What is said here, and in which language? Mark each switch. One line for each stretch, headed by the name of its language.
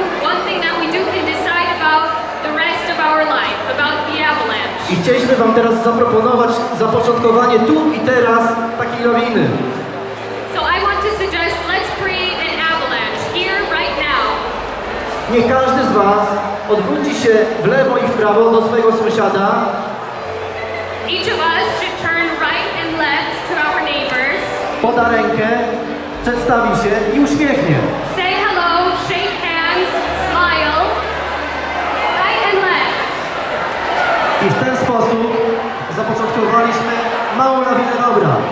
English: One thing that we do can decide about the rest of our life, about the avalanche.
Polish: I chcieliśmy wam teraz zaproponować zapoczątkowanie tu i teraz takiej lawiny.
English: So I want to suggest, let's create an avalanche here, right now.
Polish: Niech każdy z was odwróci się w lewo i w prawo do swojego sąsiada.
English: Each of us should turn right and left to our neighbors.
Polish: Poda rękę, przedstawi się i uśmiechnie.
English: Say hello, shake hands, smile. Right and left.
Polish: I w ten sposób zapoczątkowaliśmy małą lawinę dobra.